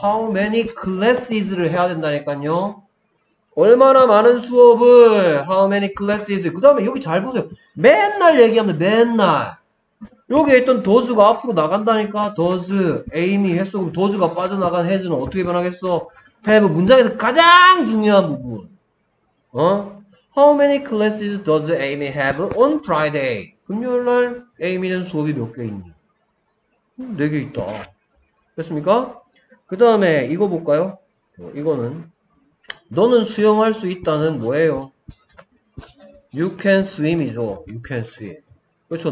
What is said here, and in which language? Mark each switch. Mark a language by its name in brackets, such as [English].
[English] How many classes [Korean] 를 해야 된다니까요? 얼마나 많은 수업을, [English] how many classes. [Korean] 그 다음에 여기 잘 보세요. 맨날 얘기합니다, 맨날. 여기에 있던 도즈가 앞으로 나간다니까? 도즈, 에이미 했어. 그럼 도즈가 빠져나간 해즈는 어떻게 변하겠어? 해브 문장에서 가장 중요한 부분. [English] How many classes does Amy have on Friday? [Korean] 금요일날 에이미는 수업이 몇개 있니? 4개 있다. 됐습니까? 그 다음에 이거 볼까요? 이거는. 너는 수영할 수 있다는 뭐예요? [English] You can swim이죠. You can swim. [Korean] 그렇죠.